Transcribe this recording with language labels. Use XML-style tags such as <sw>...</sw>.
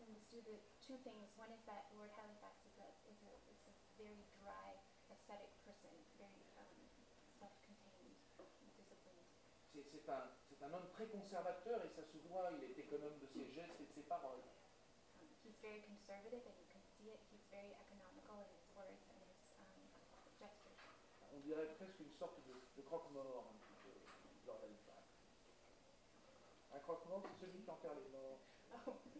<en>The two things. One is that Lord Halifax is a very dry, ascetic person, very self-contained, disciplined.</en> <fr>C'est un homme très conservateur et ça se voit. Il est économe de ses gestes et de ses paroles.</fr> <en>He's very conservative and you can see it. He's very economical in his words.</en> <fr>On dirait presque une sorte de croque-mort, un petit peu, Lord Halifax. Un croque-mort, c'est celui qui enterre les morts.</fr>